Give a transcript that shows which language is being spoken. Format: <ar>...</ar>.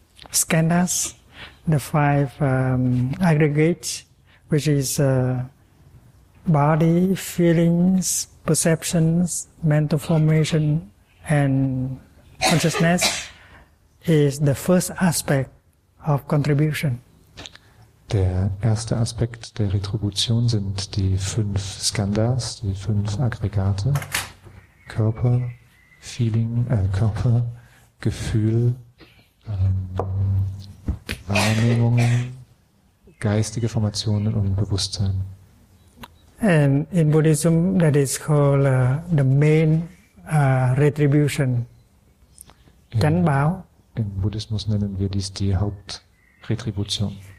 <en>The five groups, the five skandhas, the five aggregates, which is body, feelings, perceptions, mental formation, and consciousness, is the first aspect of contribution.</en> <de>Der erste Aspekt der Retribution sind die fünf Skandhas, die fünf Aggregate, Körper, Feeling, Körper, Gefühl, Wahrnehmungen, geistige Formationen und Bewusstsein.</de> <en>And in Buddhism, that is called the main retribution.</en> <vi>Tenbao.</vi> <de>Im Buddhismus nennen wir dies die Hauptretribution.</de>